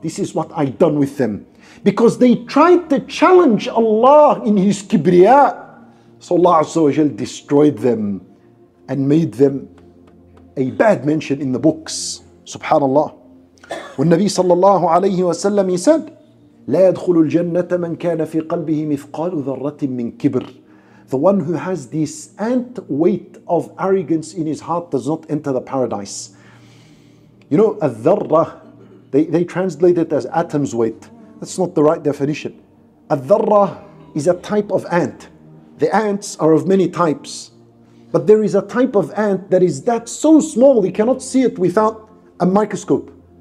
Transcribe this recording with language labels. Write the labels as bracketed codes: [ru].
[en] This is what I've done with them. Because they tried to challenge Allah in His Kibriya. So Allah Azza wa Jal destroyed them and made them a bad mention in the books. Subhanallah. When Nabi sallallahu alayhi wa sallam, he said, [ar] لا يدخل الجنة من كان في قلبه مثقال ذرة من كبر. [en] The one who has this ant weight of arrogance in his heart does not enter the paradise. You know, a dharra, they translate it as atom's weight. That's not the right definition. A dharra is a type of ant. The ants are of many types. But there is a type of ant that is that so small, you cannot see it without a microscope.